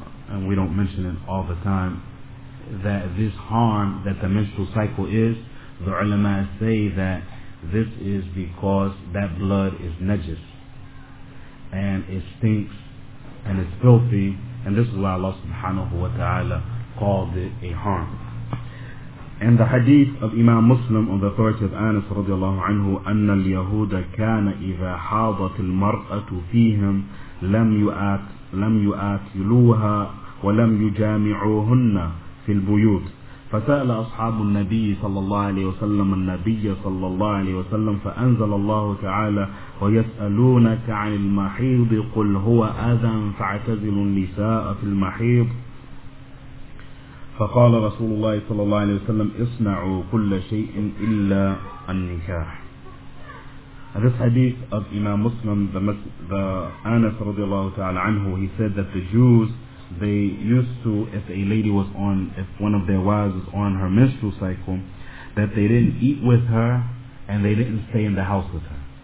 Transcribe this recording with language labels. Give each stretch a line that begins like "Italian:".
English: and we don't mention it all the time, that this harm that the menstrual cycle is, the ulama say that this is because that blood is najis, and it stinks, and it's filthy, and this is why Allah subhanahu wa ta'ala called it a harm. And the hadith of Imam Muslim on the authority of Anas radiallahu anhu,
Arabic: أن اليهود كان إذا حاضت المرأة فيهم لم يؤتلوها ولم يجامعوهن في البيوت. فسأل أصحاب النبي صلى الله عليه وسلم النبي صلى الله عليه وسلم فأنزل الله تعالى ويسألونك عن المحيض قل هو أذى فاعتزلوا النساء في المحيض. فقال رسول الله صلى الله عليه وسلم اصنعوا كل شيء إلا النكاح.
English: This hadith of Imam Muslim, the Anas radiallahu ta'ala anhu, he said that the Jews, they used to, if one of their wives was on her menstrual cycle, that they didn't eat with her and they didn't stay in the house with her.